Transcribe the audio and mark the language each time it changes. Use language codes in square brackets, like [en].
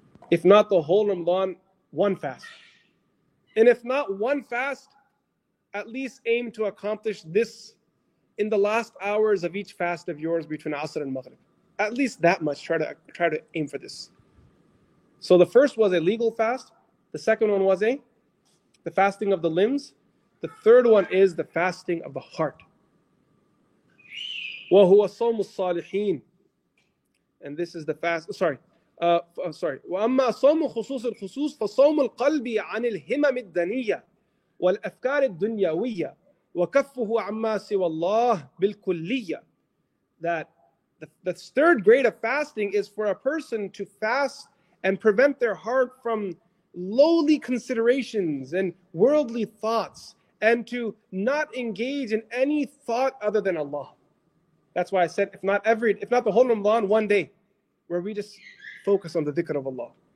[en] If not the whole Ramadan, one fast. And if not one fast, at least aim to accomplish this in the last hours of each fast of yours between Asr and Maghrib. At least that much, try to aim for this. So the first was a legal fast. The second one was the fasting of the limbs. The third one is the fasting of the heart. [ar] وَهُوَ صَوْمُ الصَّالِحِينَ. [en] And this is the fast, [ar] وَأَمَّا صَوْمُ خُصُوصِ الْخُصُوصِ فَصَوْمُ الْقَلْبِ عَنِ الْهِمَمِ الدَّنِيَّةِ وَالْأَفْكَارِ الدُّنْيَوِيَّةِ وَكَفُّهُ عَمَّا سِوَ اللَّهِ بِالْكُلِّيَّةِ. [en] That the third grade of fasting is for a person to fast and prevent their heart from lowly considerations and worldly thoughts, and to not engage in any thought other than Allah. That's why I said, if not the whole Ramadan, one day, where we just focus on the dhikr of Allah.